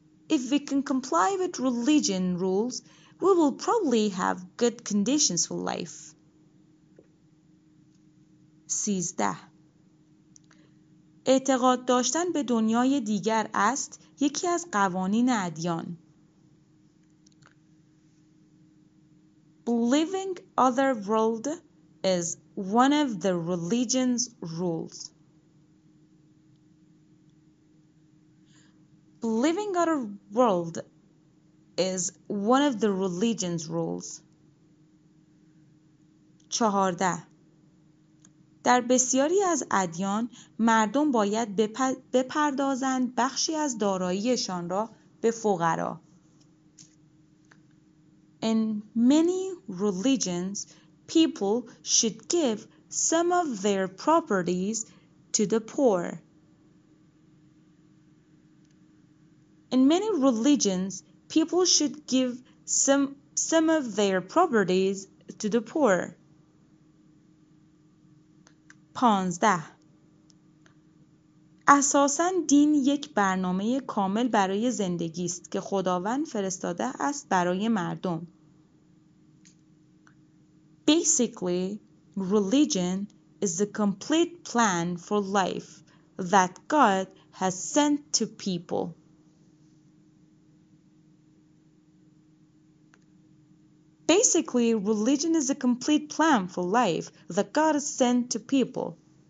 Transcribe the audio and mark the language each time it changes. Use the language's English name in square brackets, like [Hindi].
[English] If we can comply with religion rules, we will probably have good conditions for life. 13. [Persian] اعتقاد داشتن به دنیای دیگر است یکی از قوانین ادیان. [English] Believing other world is one of the religion's rules. Believing other world is one of the religion's rules. 14. [Persian] در بسیاری از ادیان مردم باید بپردازند بخشی از داراییشان را به فقرا. [English] In many religions, people should give some of their properties to the poor. In many religions, people should give some of their properties to the poor. 15. [Persian] اساساً دین یک برنامه کامل برای زندگی است که خداوند فرستاده است برای مردم. [English] Basically, religion is a complete plan for life that God has sent to people. Basically, religion is a complete plan for life that God has sent to people.